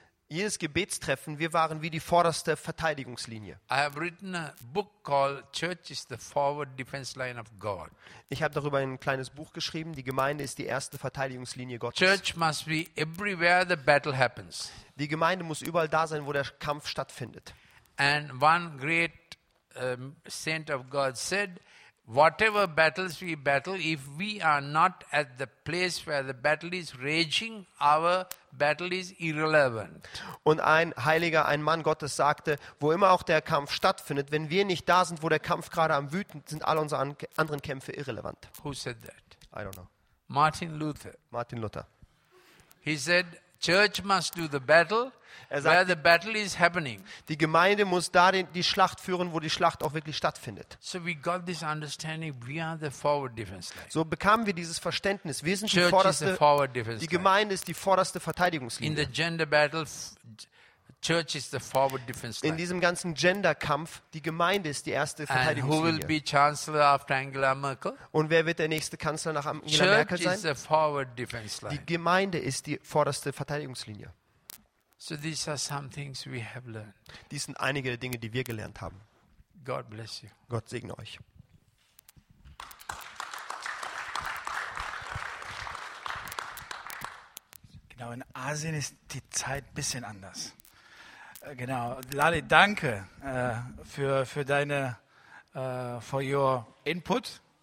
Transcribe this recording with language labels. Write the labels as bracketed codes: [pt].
[de] Jedes Gebetstreffen, wir waren wie die vorderste Verteidigungslinie. [en] I have written a book called Church is the forward defense line of God. [de] Ich habe darüber ein kleines Buch geschrieben. Die Gemeinde ist die erste Verteidigungslinie Gottes. [en] Church must be everywhere the battle happens. [de] Die Gemeinde muss überall da sein, wo der Kampf stattfindet. [en] And one great saint of God said, whatever battles we battle, if we are not at the place where the battle is raging, our battle is irrelevant. [de] Und ein Heiliger, ein Mann Gottes sagte, wo immer auch der Kampf stattfindet, wenn wir nicht da sind, wo der Kampf gerade am wüten, sind all unsere anderen Kämpfe irrelevant. [en] Who said that? I don't know. Martin Luther. [de] Martin Luther. [en] He said, Church must do the battle. [de] Er sagt, [en] where the battle is happening. [de] Die Gemeinde muss da die Schlacht führen, wo die Schlacht auch wirklich stattfindet. [en] So we got this understanding, we are the forward defense line. [de] So bekamen wir dieses Verständnis, wir sind [en] Church [de] die vorderste, [en] is the forward defense line. [de] Die Gemeinde ist die vorderste Verteidigungslinie. [en] In the gender battle, Church is the forward defense line. [de] In diesem ganzen Genderkampf, die Gemeinde ist die erste Verteidigungslinie. [en] And who will be chancellor after Angela Merkel? [de] Und wer wird der nächste Kanzler nach Angela [en] Church [de] Merkel sein? [en] Is the forward defense line. [de] Die Gemeinde ist die vorderste Verteidigungslinie. [en] So these are some things we have learned. [de] Dies sind einige der Dinge, die wir gelernt haben. [en] God bless you. [de] Gott segne euch. Genau, in Asien ist die Zeit ein bisschen anders. Genau, Lali, danke für deine [en] for your input.